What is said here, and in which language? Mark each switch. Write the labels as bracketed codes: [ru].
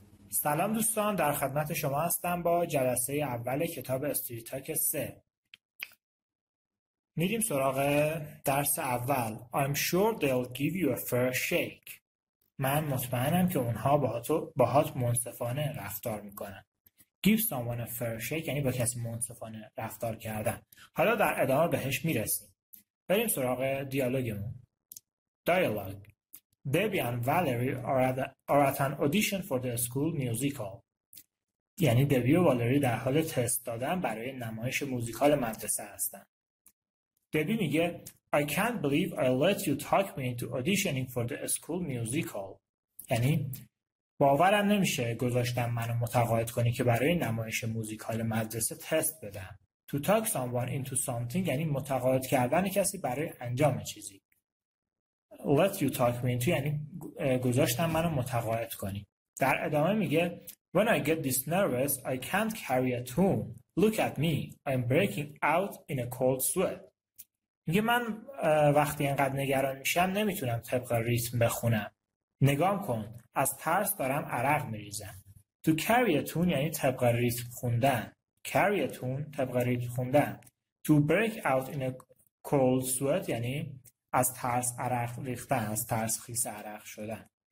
[fa] سلام دوستان، در خدمت شما هستم با جلسه اول کتاب استوری تاک 3. میریم سراغ درس اول. [en] I'm sure they'll give you a fair shake. [fa] من مطمئنم که اونها باهات منصفانه رفتار میکنن. [en] Give someone a fair shake [fa] یعنی با کسی منصفانه رفتار کردن. حالا در ادامه بهش میرسیم. بریم سراغ دیالوگمون. Dialogue. [en] Debbie and Valerie are at an audition for the school musical. [fa] یعنی دبی و والری در حال تست دادن برای نمایش موزیکال مدرسه هستن. دبی میگه [en] I can't believe I let you talk me into auditioning for the school musical. [fa] یعنی باورم نمیشه گذاشتم منو متقاعد کنی که برای نمایش موزیکال مدرسه تست بدم. [en] To talk someone into something [fa] یعنی متقاعد کردن کسی برای انجام چیزی. [en] Let you talk me into [fa] یعنی گذاشتم منو متقاعد کنی. در ادامه میگه [en] When I get this nervous I can't carry a tune. Look at me, I'm breaking out in a cold sweat. [fa] میگه من وقتی اینقدر نگران میشم نمیتونم طبق ریتم بخونم. نگام کن، از ترس دارم عرق میریزم. [en] To carry a tune [fa] یعنی طبق ریتم خوندن. [en] Carry a tune [fa] طبق ریتم خوندن. [en] To break out in a cold sweat [fa] یعنی از ترس عرق ریختن، از ترس خیس عرق شدن.